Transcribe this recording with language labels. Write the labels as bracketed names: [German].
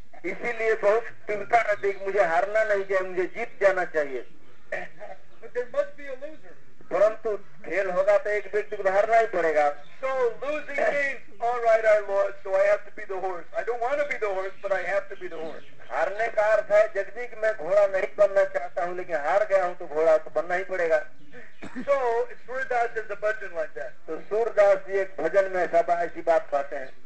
[Hindi] इसीलिए बहुत चिंता रहती है मुझे हारना नहीं चाहिए, मुझे जीत जाना चाहिए. [English] But there must be a loser. [Hindi] परंतु खेल होगा तो एक व्यक्ति को हारना ही पड़ेगा. [English] So losing means, all right, I lost, so I have to be the horse. I don't want to be the horse, but I have to be the horse. [Hindi] हारने का अर्थ है जगदी कि मैं घोड़ा नहीं बनना चाहता हूँ, लेकिन हार गया हूँ तो घोड़ा तो बनना ही पड़ेगा. [English] So Surdas is a bhajan like that. [Hindi] तो सूरदास जी एक भजन में ऐसी बात कहते हैं.